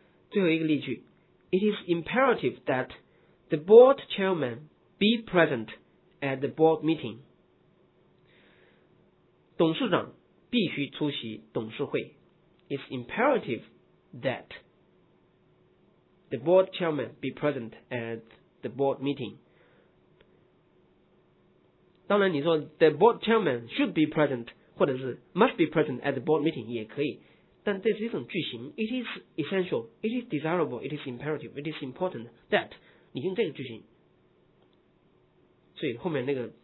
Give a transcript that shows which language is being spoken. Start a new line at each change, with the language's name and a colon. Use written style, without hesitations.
Chinese: 最后一个例句
English: ，It is imperative that the board chairman be present at the board meeting。
Chinese: 董事长必须出席董事会。
English: It's imperative that the board chairman be present at the board meeting。
Chinese: 当然你说
English: the board chairman should be present
Chinese: 或者是
English: must be present at the board meeting
Chinese: 也可以，但这是一种句型
English: it is essential, it is desirable, it is imperative, it is important that
Chinese: 你用这个句型，所以后面那个